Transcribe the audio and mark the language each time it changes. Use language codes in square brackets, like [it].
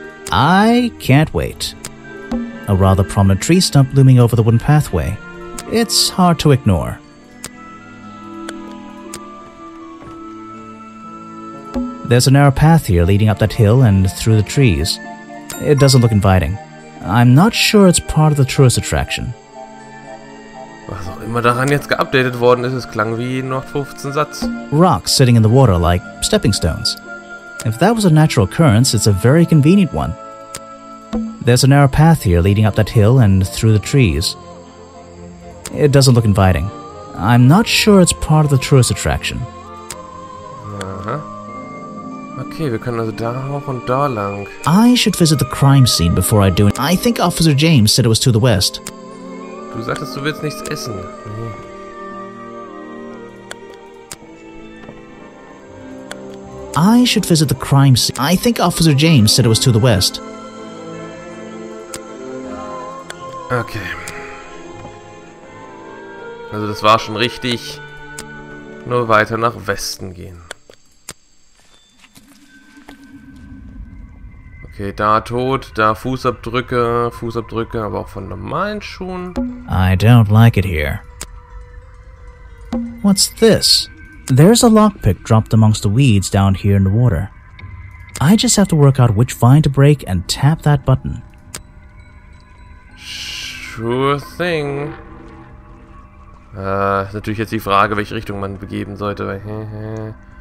[en] I can't wait. A rather prominent tree stump looming over the wooden pathway. It's hard to ignore. There's a narrow path here leading up that hill and through the trees. It doesn't look inviting. I'm not sure it's part of the tourist attraction. [de] Was auch immer daran jetzt geupdatet worden ist, es klang wie noch 15 Satz. [en] Rocks sitting in the water like stepping stones. If that was a natural occurrence, it's a very convenient one. There's a narrow path here leading up that hill and through the trees. It doesn't look inviting. I'm not sure it's part of the tourist attraction. Uh-huh. A [de] Okay, wir können also da hoch und da lang. [en] I should visit the crime scene before I do it. I think Officer James said it was to the west. [de] Du sagtest, du willst nichts essen. [en] I should visit the crime scene. I think Officer James said it was to the west. Okay. [de] Also das war schon richtig. Nur weiter nach Westen gehen. Okay, da tot, da Fußabdrücke, Fußabdrücke, aber auch von normalen Schuhen. [en] I don't like it here. What's this? There's a lockpick dropped amongst the weeds down here in the water. I just have to work out which vine to break and tap that button. Sure thing. [de] Ist natürlich jetzt die Frage, welche Richtung man begeben sollte.